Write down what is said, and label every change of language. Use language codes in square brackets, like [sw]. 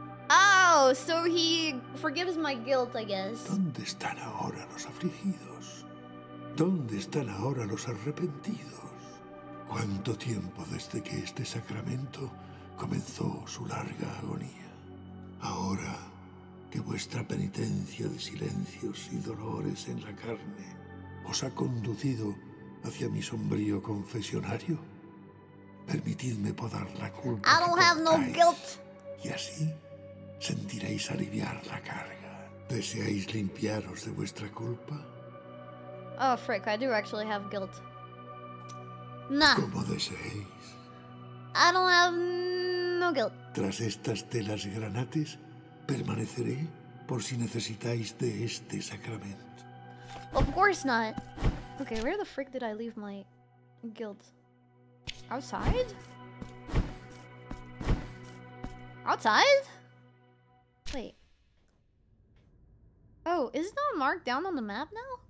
[en] Oh, so he forgives my guilt, I guess. [es] ¿Dónde están ahora los afligidos? ¿Dónde están ahora los arrepentidos? ¿Cuánto tiempo desde que este sacramento comenzó su larga agonía? Ahora que vuestra penitencia de silencios y dolores en la carne os ha conducido hacia mi sombrío confesionario, permitidme podar la culpa. [en] I don't have no guilt. [es] Y así sentiréis aliviar la carga. ¿Deseáis limpiaros de vuestra culpa? [en] Oh, frick, I do actually have guilt. Nah. [es] Como deseéis. [en] I don't have no guilt. [es] Tras estas telas granates, permaneceré por si necesitáis de este sacramento. [en] Of course not. Okay, where the frick did I leave my guilt? Outside? Outside? Wait. Oh, is it not marked down on the map now?